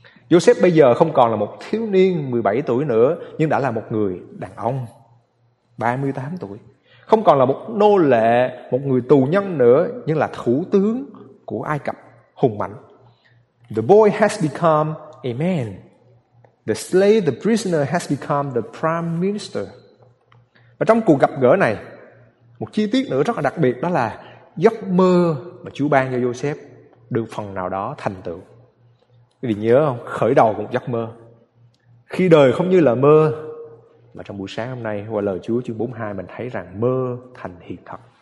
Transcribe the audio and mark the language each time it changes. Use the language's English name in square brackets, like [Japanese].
[Vietnamese] Joseph bây giờ không còn là một thiếu niên 17 tuổi nữa, nhưng đã là một người đàn ông 38 tuổi. Không còn là một nô lệ, một người tù nhân nữa, nhưng là thủ tướng của Ai Cập hùng mạnh. [English] The boy has become a man. The slave, the prisoner has become the prime minister. [Vietnamese] Và trong cuộc gặp gỡ này, một chi tiết nữa rất là đặc biệt, đó là giấc mơ mà Chúa ban cho Joseph được phần nào đó thành tựu. Quý vị nhớ không? Khởi đầu của một giấc mơ. Khi đời không như là mơ, mà trong buổi sáng hôm nay qua lời Chúa chương 42 mình thấy rằng mơ thành hiện thực.